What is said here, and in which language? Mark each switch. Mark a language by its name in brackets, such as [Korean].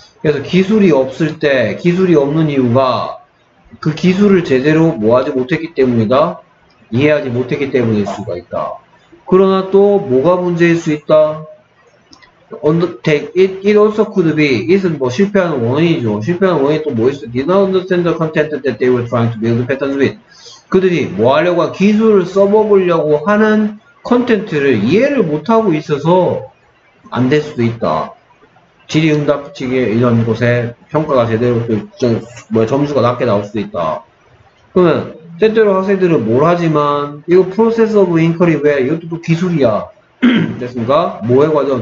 [Korean] 그래서 기술이 없을 때, 기술이 없는 이유가 그 기술을 제대로 뭐 하지 못했기 때문이다. 이해하지 못했기 때문일 수가 있다. 그러나 또 뭐가 문제일 수 있다? [English] It also could be, [Korean] it은 뭐 실패하는 원인이죠. 실패하는 원인이 또뭐 있어? [English] Did not understand the content that they were trying to build patterns with. [Korean] 그들이 뭐 하려고 기술을 써먹으려고 하는 컨텐츠를 이해를 못하고 있어서 안될 수도 있다. 질의응답 측의 이런 곳에 평가가 제대로 점수가 낮게 나올 수도 있다. 그러면 때때로 학생들은 뭘 하지만 이거 [English] process of inquiry [Korean] 왜 이것도 또 기술이야. 됐습니까? 뭐의 과정?